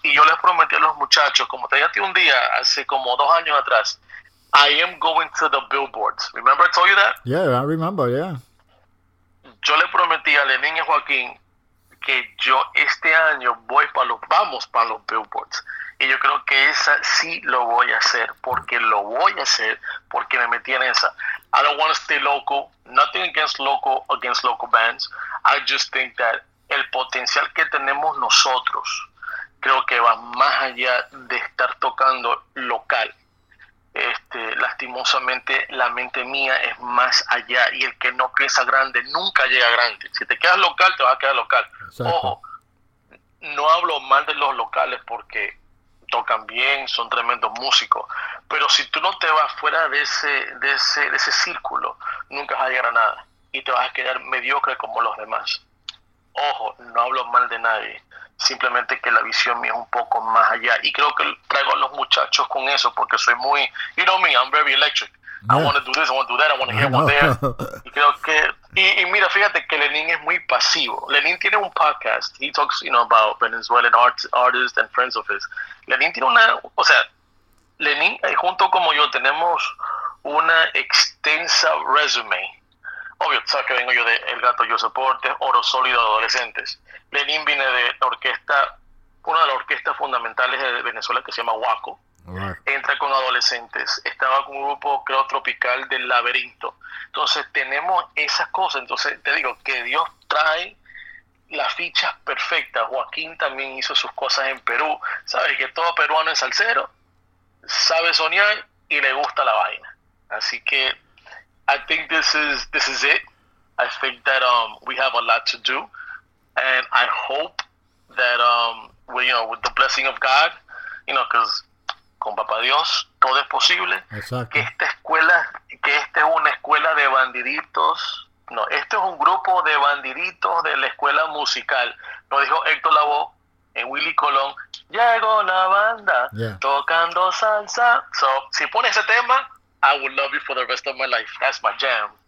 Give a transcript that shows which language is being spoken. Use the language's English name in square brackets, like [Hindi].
[Spanish] Y yo les prometí a los muchachos, como te dije un día, hace como 2 años atrás, [English] I am going to the billboards. Remember I told you that? Yeah, I remember, yeah. [Spanish] Yo le prometí a Lenín y Joaquín que yo este año vamos para los billboards. Y yo creo que esa sí lo voy a hacer, porque lo voy a hacer, porque me metí en esa. [English] I don't want to stay local, nothing against local bands. I just think that [Spanish] el potencial que tenemos nosotros, creo que va más allá de estar tocando local. Lastimosamente, la mente mía es más allá, y el que no piensa grande nunca llega grande. Si te quedas local, te vas a quedar local. Exacto. Ojo, no hablo mal de los locales porque tocan bien, son tremendos músicos, pero si tú no te vas fuera de ese círculo, nunca vas a llegar a nada y te vas a quedar mediocre como los demás. Ojo, no hablo mal de nadie, simplemente que la visión mía es un poco más allá, y creo que traigo a los muchachos con eso, porque soy muy, [English] you know me, I'm very electric. Yeah. I want to do this, I want to do that, I want to hear one there. [Spanish] Y creo que, y mira, fíjate que Lenín es muy pasivo. Lenín tiene un podcast, [English] he talks, you know, about Venezuelan artists and friends of his. [Spanish] Lenín tiene una, o sea, Lenín, junto como yo, tenemos una extensa resume. Obvio, sabes que vengo yo de El Gato, Yo Soporte, Oro Sólido, Adolescentes. Lenín viene de la orquesta, una de las orquestas fundamentales de Venezuela que se llama Huaco. [English] Right. [Spanish] Entra con Adolescentes. Estaba con un grupo, creo, tropical del Laberinto. Entonces, tenemos esas cosas. Entonces, te digo que Dios trae las fichas perfectas. Joaquín también hizo sus cosas en Perú. Sabes que todo peruano es salsero, sabe soñar y le gusta la vaina. Así que, [English] I think this is it. I think that we have a lot to do, and I hope that with the blessing of God, you know, because [Spanish] con papá Dios todo es posible. Exacto. que esta es una escuela de bandiditos. No, esto es un grupo de bandiditos de la escuela musical. Lo dijo Héctor Lavoe en Willy Colón. Llegó la banda, [English] yeah, [Spanish] tocando salsa. [English] So, [Spanish] si pone ese tema, [English] I will love you for the rest of my life. That's my jam.